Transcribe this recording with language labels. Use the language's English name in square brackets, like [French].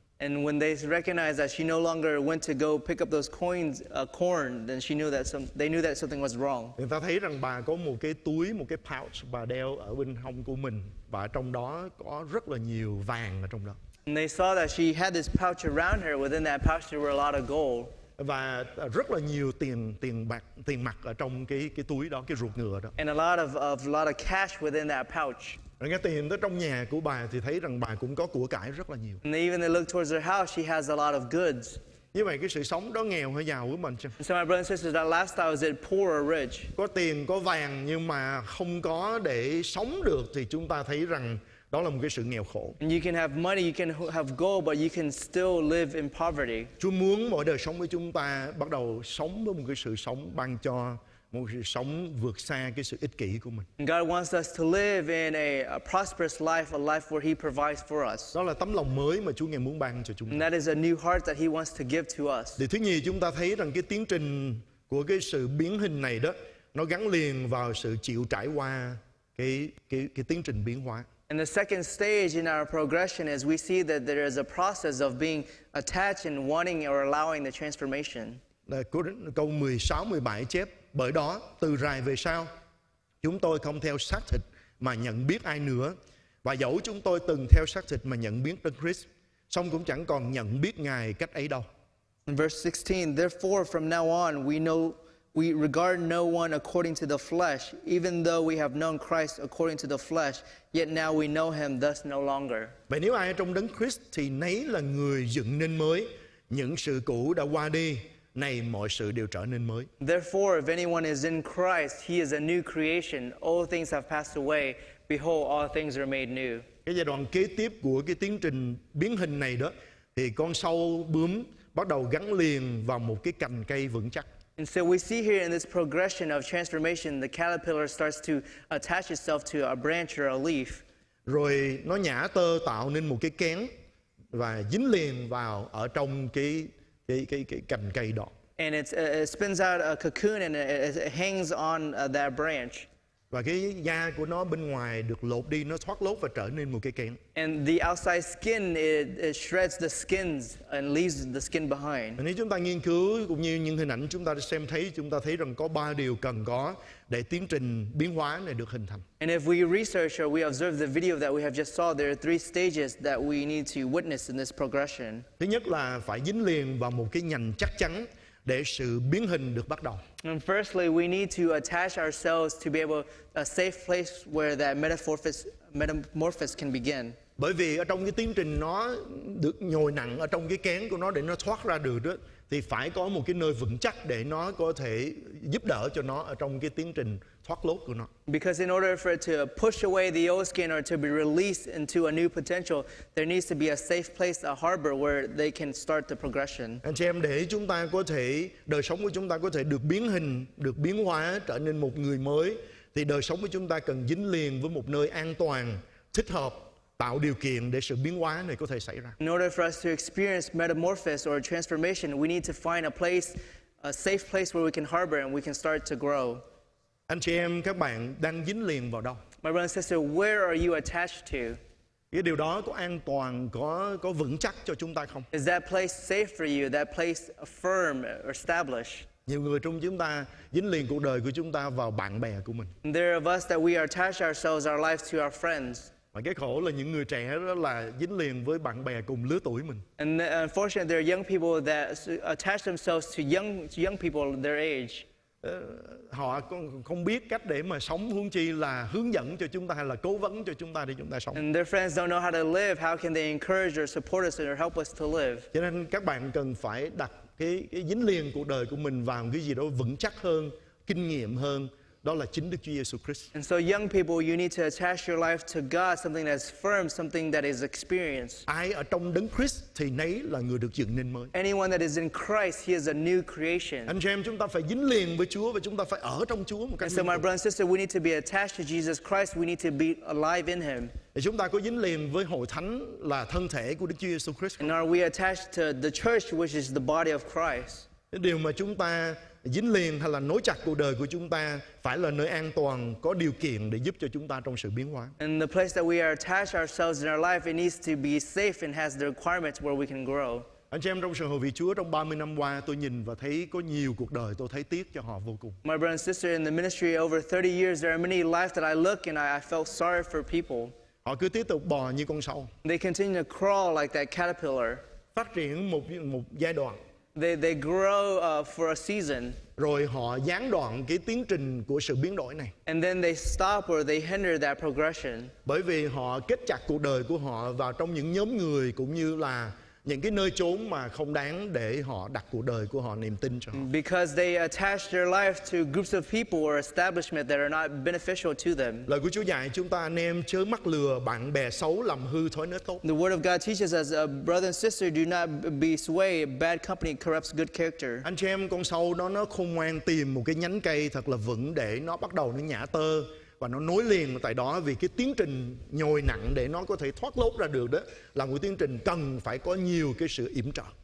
[English] And when they recognized that she no longer went to go pick up those corn, then she knew that they knew that something was wrong. [Vietnamese] Người ta thấy rằng bà có một cái túi, một cái pouch bà đeo ở bên hông của mình và trong đó có rất là nhiều vàng ở trong đó. [English] And they saw that she had this pouch around her, within that pouch there were a lot of gold. [Vietnamese] Và rất là nhiều tiền mặt ở trong cái túi đó, cái ruột ngựa đó. [English] And a lot of cash within that pouch. [Vietnamese] Rồi nghe tiền tới trong nhà của bà thì thấy rằng bà cũng có của cải rất là nhiều. [English] And even they look towards her house, she has a lot of goods. [Vietnamese] Như vậy cái sự sống đó nghèo hay giàu của mình chứ? [English] So my brothers and sisters, that lifestyle, is it poor or rich? [Vietnamese] Có tiền, có vàng nhưng mà không có để sống được thì chúng ta thấy rằng đó là một cái sự nghèo khổ. [English] And you can have money, you can have gold, but you can still live in poverty. [Vietnamese] Chúa muốn mỗi đời sống của chúng ta bắt đầu sống với một cái sự sống ban cho, một sự sống vượt xa cái sự ích kỷ của mình. [English] God wants us to live in a prosperous life, a life where He provides for us. [Vietnamese] Đó là tấm lòng mới mà Chúa Ngài muốn ban cho chúng ta. [English] And that is a new heart that He wants to give to us. [Vietnamese] Điều thứ nhì, chúng ta thấy rằng cái tiến trình của cái sự biến hình này đó, nó gắn liền vào sự chịu trải qua cái tiến trình biến hóa. [English] And the second stage in our progression is we see that there is a process of being attached and wanting or allowing the transformation. [Vietnamese] Câu 16, 17 chép, bởi đó, từ rày về sau, chúng tôi không theo xác thịt mà nhận biết ai nữa. Và dẫu chúng tôi từng theo xác thịt mà nhận biết Đấng Christ, song cũng chẳng còn nhận biết Ngài cách ấy đâu. [English] In verse 16, therefore from now on we regard no one according to the flesh, even though we have known Christ according to the flesh, yet now we know him thus no longer. [Vietnamese] Vậy nếu ai ở trong Đấng Christ thì nấy là người dựng nên mới, những sự cũ đã qua đi, nay mọi sự đều trở nên mới. [English] Therefore if anyone is in Christ, he is a new creation, all things have passed away, behold all things are made new. [Vietnamese] Cái giai đoạn kế tiếp của cái tiến trình biến hình này đó thì con sâu bướm bắt đầu gắn liền vào một cái cành cây vững chắc. [English] And so we see here in this progression of transformation, the caterpillar starts to attach itself to a branch or a leaf. [Vietnamese] Rồi nó nhả tơ tạo nên một cái kén và dính liền vào ở trong cái cành cây đó. [English] And it spins out a cocoon and it hangs on that branch. [Vietnamese] Và cái da của nó bên ngoài được lột đi, nó thoát lốt và trở nên một cái kén. [English] And the outside skin, it shreds the skins and leaves the skin behind. [Vietnamese] Nếu chúng ta nghiên cứu cũng như những hình ảnh chúng ta xem thấy, chúng ta thấy rằng có ba điều cần có để tiến trình biến hóa này được hình thành. [English] And if we research or we observe the video that we have just saw, there are three stages that we need to witness in this progression. [Vietnamese] Thứ nhất là phải dính liền vào một cái nhành chắc chắn để sự biến hình được bắt đầu. [English] And firstly, we need to attach ourselves to be able a safe place where that metamorphosis can begin. [Vietnamese] Bởi vì ở trong cái tiến trình nó được nhồi nặng ở trong cái kén của nó để nó thoát ra được đó, thì phải có một cái nơi vững chắc để nó có thể giúp đỡ cho nó ở trong cái tiến trình thoát lốt của nó. [English] Because in order for it to push away the old skin or to be released into a new potential, there needs to be a safe place, a harbor where they can start the progression. [Vietnamese] Anh chị em, để chúng ta có thể, đời sống của chúng ta có thể được biến hình, được biến hóa, trở nên một người mới, thì đời sống của chúng ta cần dính liền với một nơi an toàn, thích hợp, tạo điều kiện để sự biến hóa này có thể xảy ra. [English] In order for us to experience metamorphosis or transformation, we need to find a place, a safe place where we can harbor and we can start to grow. [Vietnamese] Anh chị em, các bạn đang dính liền vào đâu? [English] My brother and sister, where are you attached to? [Vietnamese] Cái điều đó có an toàn, có vững chắc cho chúng ta không? [English] Is that place safe for you? That place firm or established? [Vietnamese] Nhiều người trong chúng ta dính liền cuộc đời của chúng ta vào bạn bè của mình. [English] There are of us that we attach ourselves, our lives to our friends. [Vietnamese] Mà cái khổ là những người trẻ đó là dính liền với bạn bè cùng lứa tuổi mình. [English] And unfortunately, there are young people that attach themselves to young people their age. [Vietnamese] Họ không biết cách để mà sống, huống chi là hướng dẫn cho chúng ta hay là cố vấn cho chúng ta để chúng ta sống. [English] And their friends don't know how to live. How can they encourage or support us or help us to live? [Vietnamese] Cho nên các bạn cần phải đặt cái dính liền cuộc đời của mình vào cái gì đó vững chắc hơn, kinh nghiệm hơn. Đó là chính Đức Chúa Jesus Christ. [English] And so young people, you need to attach your life to God, something that's firm, something that is experienced. [Vietnamese] Ai ở trong Đấng Christ thì nấy là người được dựng nên mới. [English] Anyone that is in Christ, he is a new creation. [Vietnamese] Anh chị em, chúng ta phải dính liền với Chúa và chúng ta phải ở trong Chúa một cách. [English] And so my brother and sister, we need to be attached to Jesus Christ. We need to be alive in him. [Vietnamese] Chúng ta có dính liền với hội thánh là thân thể của Đức Chúa Jesus Christ. [English] And are we attached to the church, which is the body of Christ? [Vietnamese] Điều mà chúng ta dính liền hay là nối chặt cuộc đời của chúng ta phải là nơi an toàn, có điều kiện để giúp cho chúng ta trong sự biến hóa. [English] And the place that we are attached ourselves in our life, it needs to be safe and has the requirements where we can grow. [Vietnamese] Anh chị em, trong sự hầu việc Chúa trong 30 năm qua, tôi nhìn và thấy có nhiều cuộc đời tôi thấy tiếc cho họ vô cùng. [English] My brother and sister, in the ministry over 30 years, there are many lives that I look and I felt sorry for people. [Vietnamese] Họ cứ tiếp tục bò như con sâu. [English] They continue to crawl like that caterpillar. [Vietnamese] Phát triển một giai đoạn. [English] They grow for a season. [Vietnamese] Rồi họ gián đoạn cái tiến trình của sự biến đổi này. [English] And then they stop or they hinder that progression. [Vietnamese] Bởi vì họ kết chặt cuộc đời của họ vào trong những nhóm người cũng như là những cái nơi chốn mà không đáng để họ đặt cuộc đời của họ, niềm tin cho họ. [English] Because they attach their life to groups of people or establishment that are not beneficial to them. [Vietnamese] Lời của Chúa dạy chúng ta anh em chớ mắc lừa bạn bè xấu làm hư thói nết tốt. [English] The word of God teaches us, brother and sister, do not be swayed. Bad company corrupts good character. [Vietnamese] Anh chị em, con sâu đó nó khôn ngoan tìm một cái nhánh cây thật là vững để nó bắt đầu nó nhả tơ và nó nối liền tại đó, vì cái tiến trình nhồi nặng để nó có thể thoát lốt ra được đó là một tiến trình cần phải có nhiều cái sự yểm trợ.